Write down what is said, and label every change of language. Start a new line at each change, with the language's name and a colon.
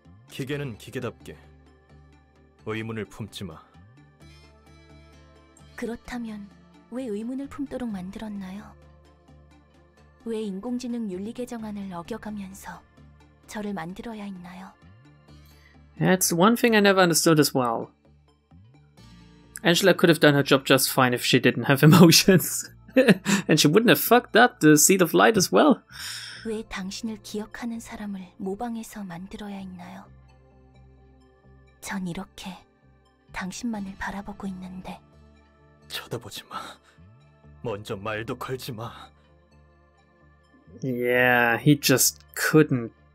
Korean: 기계는 기계답게 의문을 품지 마. 그렇다면 왜 의문을 품도록 만들었나요? 왜 인공지능 윤리 개정안을 어겨가면서 저를 만들어야 했나요?
English: That's one thing I never understood as well. Angela could have done her job just fine if she didn't have emotions. And she wouldn't have fucked up the seed of light as well.
Korean: 왜 당신을 기억하는 사람을 모방해서 만들어야 했나요? 전 이렇게 당신만을 바라보고 있는데. 쳐다보지 마. 먼저 말도 걸지 마.
English: Yeah, he just couldn't.